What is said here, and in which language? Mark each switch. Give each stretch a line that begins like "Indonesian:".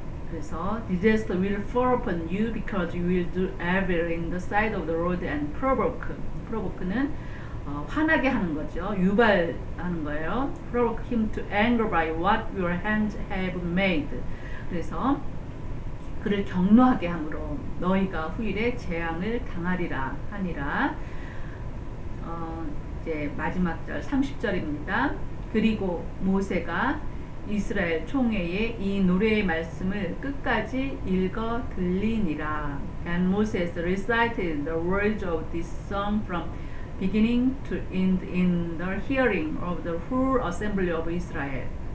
Korean: 그래서
English: disaster will fall upon you because you will do evil in the sight of the Lord and provoke.
Korean: Provoke는 화나게 하는 거죠. 유발하는 거예요.
English: Provoke him to anger by what your hands have made.
Korean: 그래서 그를 격노하게 함으로 너희가 후일에 재앙을 당하리라 하니라. 이제 마지막 절 30절입니다. 그리고 모세가 이스라엘 총회에 이 노래의 말씀을 끝까지 읽어 들리니라.
English: And Moses recited the words of this song from beginning to end in the hearing of the whole assembly of Israel.